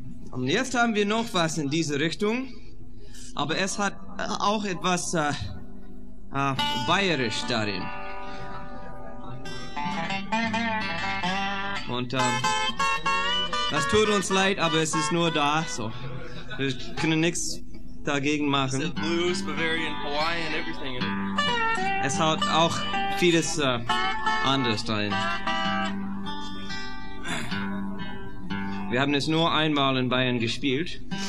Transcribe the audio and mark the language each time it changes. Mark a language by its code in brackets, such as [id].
[de] Und jetzt haben wir noch was in diese Richtung. Aber es hat auch etwas bayerisch darin. Und das tut uns leid, aber es ist nur da, so wir können nichts dagegen machen. [en] It's blues, Bavarian, Hawaiian, everything. [de] Es hat auch vieles anders drin. Wir haben es nur einmal in Bayern gespielt.